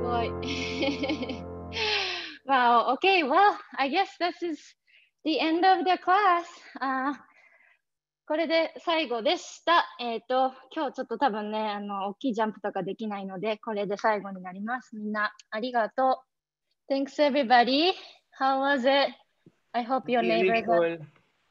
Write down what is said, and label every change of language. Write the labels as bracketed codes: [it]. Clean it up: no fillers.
[en] Okay, well, I guess this is the end of the class. [ja] これで最後でした。今日ちょっと多分ね、大きいジャンプとかできないので、これで最後になります。みんな、ありがとう。 [en] Thanks, everybody. How was it? I hope your neighbor got...